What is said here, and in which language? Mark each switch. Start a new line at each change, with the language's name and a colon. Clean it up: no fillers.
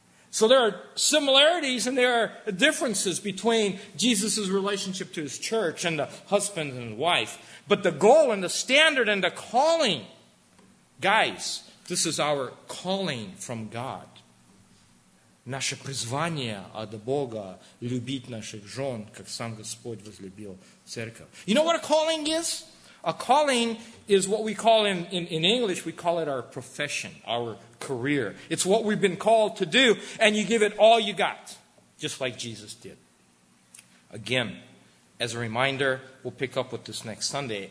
English: So there are similarities and there are differences between Jesus' relationship to his church and the husband and wife. But the goal and the standard and the calling, guys, this is our calling from God.
Russian: Наше призвание от Бога любить наших жен, как сам Господь возлюбил церковь.
English: You know what a calling is? A calling is what we call in English, we call it our profession, our career. It's what we've been called to do, and you give it all you got, just like Jesus did. Again, as a reminder, we'll pick up with this next Sunday.